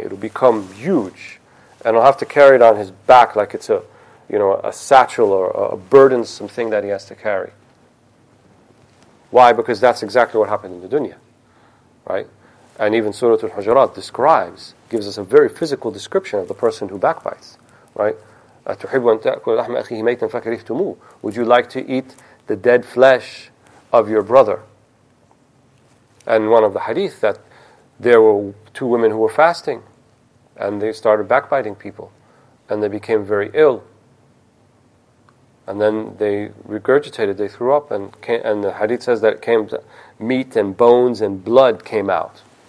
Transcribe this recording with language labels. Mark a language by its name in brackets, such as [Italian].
[English] It will become huge. And he'll have to carry it on his back like it's a, you know, a satchel or a burdensome thing that he has to carry. Why? Because that's exactly what happened in the dunya, right? And even Surah Al-Hujurat describes, gives us a very physical description of the person who backbites, right? [Arabic] أَتُحِبُّ أَن تَأْكُلَ لَحْمَ أَخِيهِ مَيْتًا فَكَرِهْتُمُوهُ. [English] Would you like to eat the dead flesh of your brother? And one of the hadith that there were two women who were fasting and they started backbiting people and they became very ill. And then they regurgitated, they threw up, and came, and the hadith says that it came to meat and bones and blood came out.